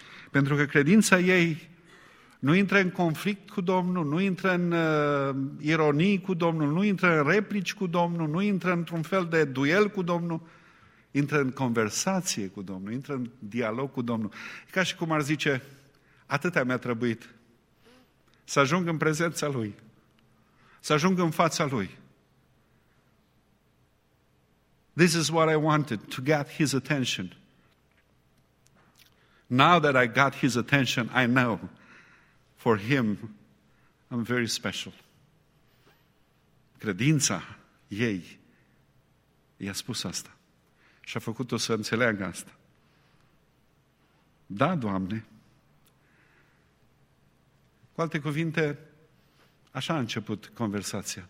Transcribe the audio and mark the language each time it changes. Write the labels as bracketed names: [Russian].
[Romanian] Pentru că credința ei nu intră în conflict cu Domnul, nu intră în ironii cu Domnul, nu intră în replici cu Domnul, nu intră într-un fel de duel cu Domnul, intră în conversație cu Domnul, intră în dialog cu Domnul. E ca și cum ar zice, atâtea mi-a trebuit să ajung în prezența Lui, să ajung în fața Lui. [English] This is what I wanted, to get His attention. Now that I got His attention, I know for Him, I'm very special. [Romanian] Credința ei i-a spus asta și a făcut-o să înțeleagă asta. Da, Doamne. Cu alte cuvinte, așa a început conversația.